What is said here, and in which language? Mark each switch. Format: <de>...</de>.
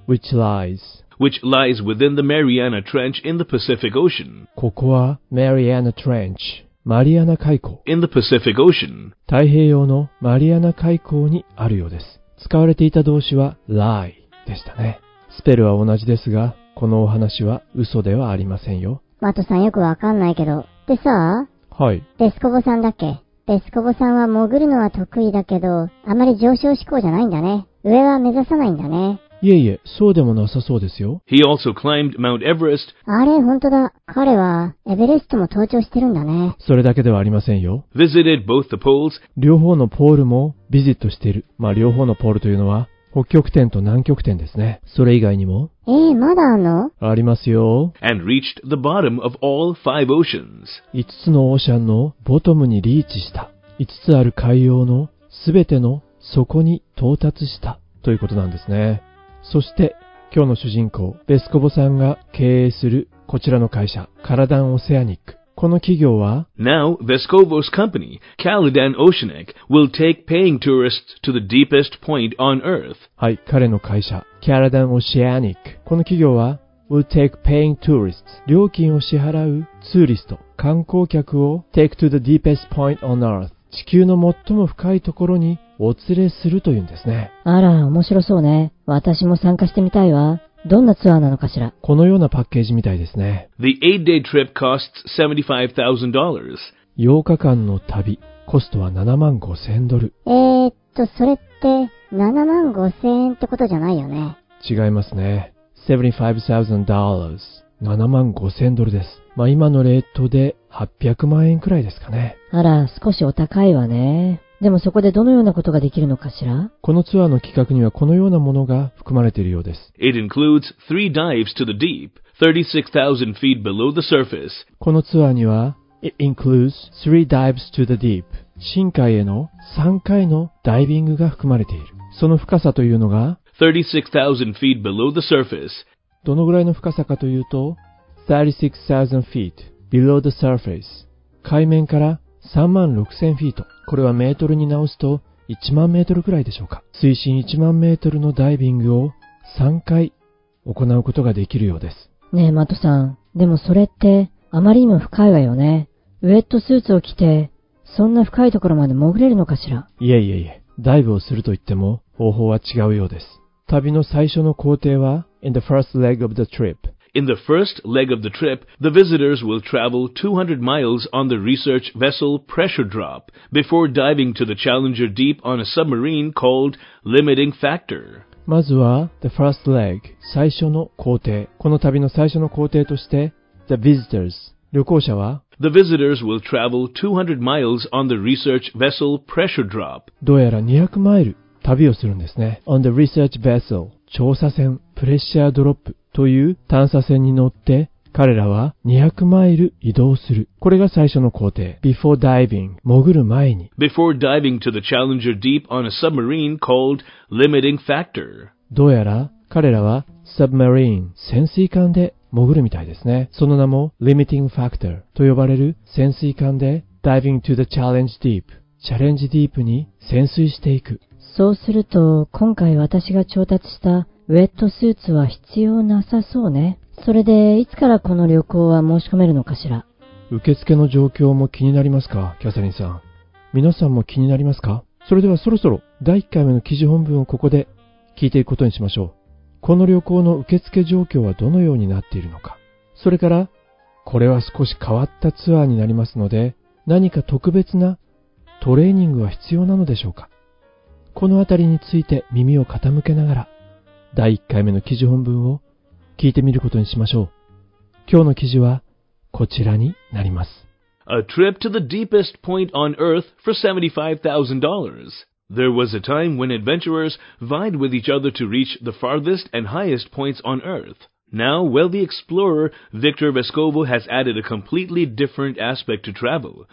<en>Which lies within the Mariana Trench in the Pacific Ocean.</en> <ja>ここは Mariana Trench, マリアナ海溝。</ja> <en>In the Pacific Ocean.</en> <ja>太平洋のマリアナ海溝にあるようです。使われていた動詞は lie でしたね。スペルは同じですが、このお話は嘘ではありませんよ。マトさんよくわかんないけど。でさあ、はい。ベスコボさんだっけ? ベスコボさんは潜るのは得意だけど、あまり上昇志向じゃないんだね。上は目指さないんだね。いえいえ、そうでもなさそうですよ。</ja> <en>He also climbed Mount Everest.</en> <ja>あれ、本当だ。彼は、エベレストも登頂してるんだね。それだけではありませんよ。</ja> <en>Visited both the poles.</en> <ja>両方のポールも、ビジットしている。まあ、両方のポールというのは、北極点と南極点ですね。それ以外にも？まだあるの？ありますよ。</ja> <en>And reached the bottom of all five oceans.</en> <ja>5つのオーシャンのボトムにリーチした。5つある海洋のすべての底に到達したということなんですね。そして今日の主人公、ベスコボさんが経営するこちらの会社、カラダンオセアニック。この企業は</ja> <en>Now, Vescovo's company, Caladan Oceanic, will take paying tourists to the deepest point on Earth.</en> <ja>はい、彼の会社、Caladan Oceanic。この企業は</ja> <en>will take paying tourists,</en> <ja>料金を支払うツーリスト、観光客を</ja> <en>take to the deepest point on Earth,</en> <ja>地球の最も深いところにお連れするというんですね。あら、面白そうね。私も参加してみたいわ。どんなツアーなのかしら。このようなパッケージみたいですね。</ja> <en>The 8-day trip costs $75,000.</en> <ja>8日間の旅、コストは$75,000。それって75,000円ってことじゃないよね。違いますね。$75,000。 75,000ドルです。まあ今のレートで800万円くらいですかね。あら、少しお高いわね。でもそこでどのようなことができるのかしら？このツアーの企画にはこのようなものが含まれているようです。</ja> <en>It includes three dives to the deep, 36,000 feet below the surface.</en> <ja>このツアーには、</ja> <en>It includes three dives to the deep.</en> <ja>深海への3回のダイビングが含まれている。その深さというのが、</ja> <en>36,000 feet below the surface.</en> <ja>どのぐらいの深さかというと、</ja> <en>36,000 feet below the surface.</en> <ja>海面から36,000 feet。これはメートルに直すと1万メートルくらいでしょうか。水深1万メートルのダイビングを3回行うことができるようです。ねえ、マトさん。でもそれってあまりにも深いわよね。ウェットスーツを着て、そんな深いところまで潜れるのかしら。いえいえいえ。ダイブをするといっても方法は違うようです。旅の最初の行程は、</ja> <en>In the first leg of the trip。 In the first leg of the trip, the visitors will travel 200 miles on the research vessel Pressure Drop before diving to the Challenger Deep on a submarine called Limiting Factor.</en> <ja>まずは</ja> <en>the first leg,</en> <ja>最初の行程。この旅の最初の行程として</ja> <en>the visitors,</en> <ja>旅行者は</ja> <en>The visitors will travel 200 miles on the research vessel Pressure Drop.</en> <ja>どうやら200マイル旅をするんですね。</ja> <en>On the research vessel,</en> <ja>調査船</ja> <en>Pressure Drop.</en> <ja>という探査船に乗って彼らは200マイル移動する。これが最初の工程。</ja> <en>Before diving,</en> <ja>潜る前に。</ja> <en>Before diving to the Challenger Deep on a submarine called Limiting Factor.</en> <ja>どうやら彼らは Submarine, 潜水艦で潜るみたいですね。その名も Limiting Factor と呼ばれる潜水艦で</ja> <en>Diving to the Challenge Deep,</en> <ja>チャレンジディープに潜水していく。そうすると今回私が調達したウェットスーツは必要なさそうね。それでいつからこの旅行は申し込めるのかしら。受付の状況も気になりますか、キャサリンさん。皆さんも気になりますか。それではそろそろ第1回目の記事本文をここで聞いていくことにしましょう。この旅行の受付状況はどのようになっているのか。それからこれは少し変わったツアーになりますので何か特別なトレーニングは必要なのでしょうか。このあたりについて耳を傾けながら第1回目の記事本文を聞いてみることにしましょう。今日の記事はこちらになります。</ja> <en>A trip to the deepest point on Earth for $75,000. There was a time when adventurers vied with each other to reach the farthest and highest points on Earth. Now wealthy explorer Victor Vescovo has added a completely different aspect to travel.</en>